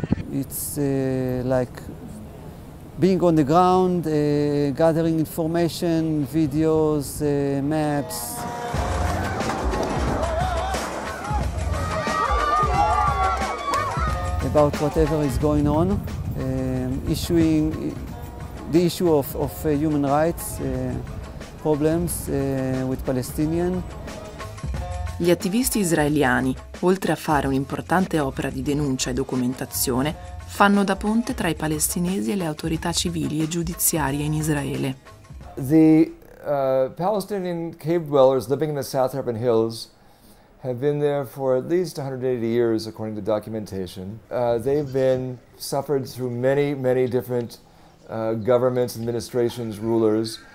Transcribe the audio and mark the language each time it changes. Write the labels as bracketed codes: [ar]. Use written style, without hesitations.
[en] It's like being on the ground, gathering information, videos, maps. About whatever is going on, issuing the issue of human rights. Problems with Palestinian. [it] Gli attivisti israeliani, oltre a fare un'importante opera di denuncia e documentazione, fanno da ponte tra i palestinesi e le autorità civili e giudiziarie in Israele. [en] The Palestinian cave dwellers living in the South Hebron Hills have been there for at least 180 years according to documentation. They've been suffered through many, many different governments, administrations, rulers.